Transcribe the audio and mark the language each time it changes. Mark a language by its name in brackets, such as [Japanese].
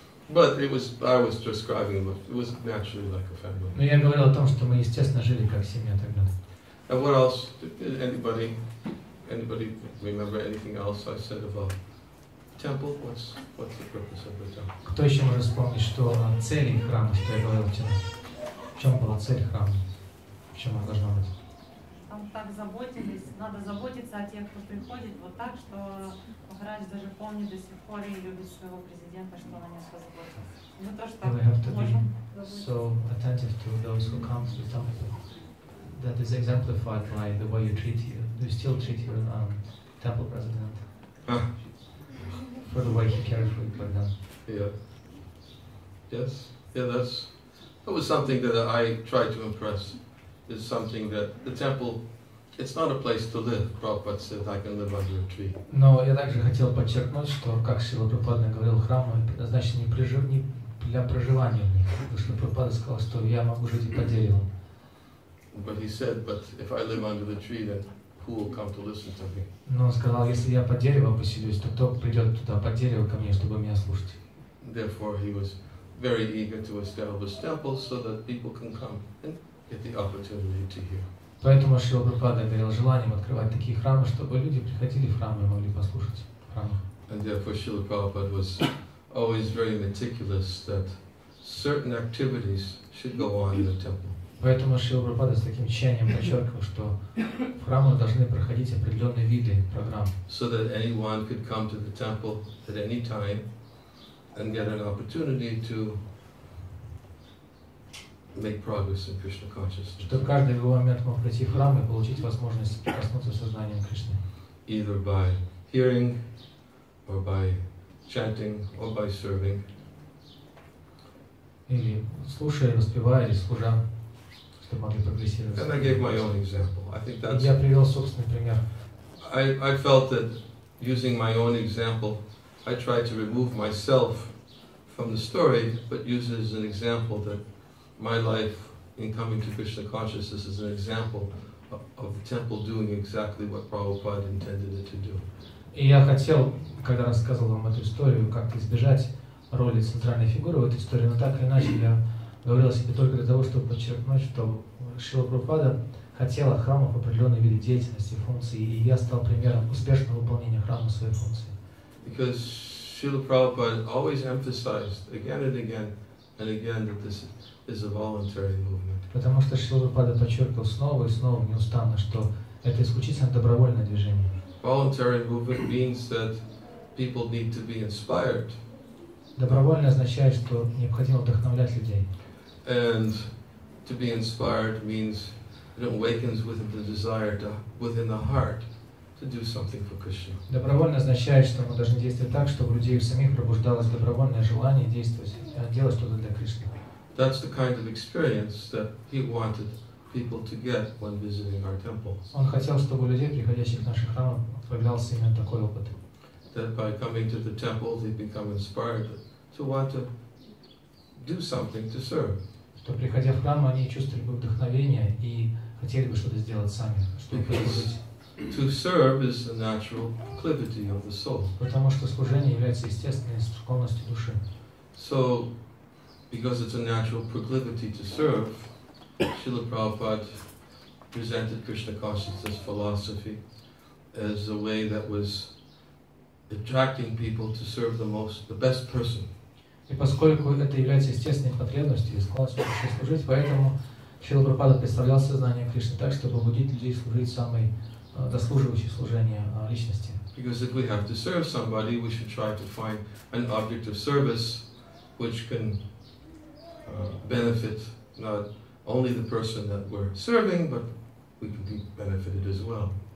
[English] But it was, I was describing, it was naturally like a family. [Russian] Но я говорил о том, что мы естественно жили как семья тогда. [English] And what else? Did anybody remember anything else I said about temple? What's the purpose of the temple? [Russian] Кто еще может вспомнить, что цель храма, что я говорил вчера? В чем была цель храма? В чем она должна быть? Так заботились, надо заботиться о тех, кто приходит, вот так, что Махарадж даже помнит до сих пор и любит своего президента, что на него позаботился. Мы то, что [English] we have to be so attentive to those who come to the temple. That is exemplified by the way you still treat your temple president. For the way he cares for you. That was something that I tried to impress. Is something that the temple, it's not a place to live. Prabhupada said, "I can live under a tree." [Russian] Но я также хотел подчеркнуть, что как Шрила Прабхупада говорил, храм предназначен не для проживания. Потому что Прабхупада сказал, что я могу жить и под деревом. [English] But he said, "But if I live under the tree, then who will come to listen to me?" [Russian] Но он сказал, если я под деревом поселюсь, то кто придет туда под дерево ко мне, чтобы меня слушать? [English] Therefore, he was very eager to establish temples so that people can come and get the opportunity to hear. [Russian] Поэтому Шрила Прабхупада горел желанием открывать такие храмы, чтобы люди приходили в храмы и могли послушать в храмах. [English] And therefore, Шрила Прабхупада was always very meticulous that certain activities should go on in the temple. [Russian] Поэтому Шрила Прабхупада с таким тщанием подчеркивал, что в храмах должны проходить определенные виды программ. [English] So that anyone could come to the temple at any time and get an opportunity to make progress in Krishna consciousness. [Russian] Чтобы каждый в любой момент мог прийти в храм и получить возможность прикоснуться к сознанию Кришны. [English] Either by hearing, or by chanting, or by serving. [Russian] Или слушая, воспевая, или служа. [English] And I gave my own example. I think that's. [Russian] Я привел собственный пример. [English] I felt that using my own example, I tried to remove myself from the story, but use it as an example that my life in coming to Krishna consciousness is an example of the temple doing exactly what Prabhupada intended it to do. [Russian] И я хотел, когда рассказывал вам эту историю, как-то избежать роли центральной фигуры в этой истории, но так или иначе я говорил себе только для того, чтобы подчеркнуть, что Шрила Прабхупада хотел от храмов определенные виды деятельности, функции, и я стал примером успешного выполнения храма своей функции. [English] Because Srila Prabhupada always emphasized again and again that this is a voluntary movement. [Russian] Потому что Шрила Прабхупада подчеркивал снова и снова неустанно, что это исключительно добровольное движение. [English] Voluntary movement means that people need to be inspired. [Russian] Добровольно означает, что необходимо вдохновлять людей. [English] And to be inspired means it awakens within the desire to, within the heart to do something for Krishna. [Russian] Добровольно означает, что мы должны действовать так, чтобы у людей самих пробуждалось добровольное желание действовать, делать что-то для Кришны. [English] That's the kind of experience that he wanted people to get when visiting our temple. [Russian] Он хотел, чтобы у людей, приходящих в наши храмы, появлялся именно такой опыт. [English] That by coming to the temple, they become inspired to want to do something to serve. [Russian] Что приходя в храм, они чувствовали бы вдохновение и хотели бы что-то сделать сами, чтобы служить. [English] To serve is the natural proclivity of the soul. [Russian] Потому что служение является естественной склонностью души. [English] So, because it's a natural proclivity to serve, Srila Prabhupada presented Krishna consciousness philosophy as a way that was attracting people to serve the most, the best person. [Russian] И поскольку это является естественной потребностью, склонностью служить, поэтому Шрила Прабхупада представлял сознание Кришны так, чтобы побудить людей служить самой заслуживающей служения личности. [English] Because if we have to serve somebody, we should try to find an object of service which can benefit not only the person that we're serving, but we can be benefited as well.